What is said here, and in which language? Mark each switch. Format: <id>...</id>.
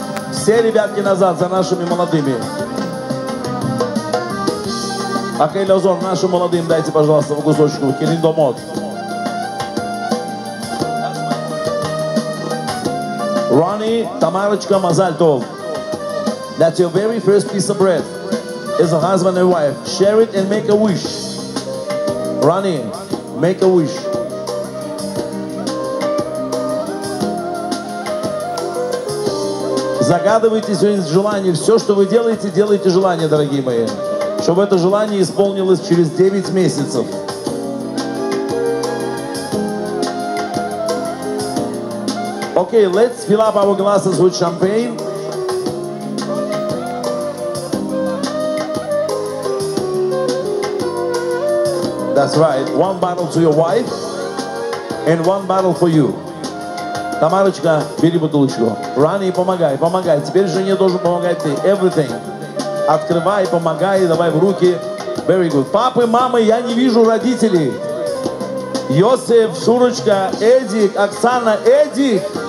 <ru>Все ребятки назад за нашими молодыми. Ахей Лозор, нашим молодым дайте, пожалуйста, в кусочку. Келиндомот. Рони, Тамарочка, Мазальтов.</ru> <en>That's your very first piece of bread. As a husband and wife, share it and make a wish. Ronnie, make a wish.</en> <ru>Загадывайте сегодня желание. Все, что вы делаете, делайте желание, дорогие мои. Чтобы это желание исполнилось через 9 месяцев.</ru> <en>Okay, let's fill up our glasses with champagne. That's right. One bottle to your wife and one bottle for you.</en> <ru>Тамарочка, бери бутылочку. Рани, помогай, помогай. Теперь жене должен помогать ты.</ru> <en>Everything.</en> <ru>Открывай, помогай, давай в руки.</ru> <en>Very good.</en> <ru>Папы, мамы, я не вижу родителей. Йосиф, Шурочка, Эдик, Оксана, Эдик.</ru>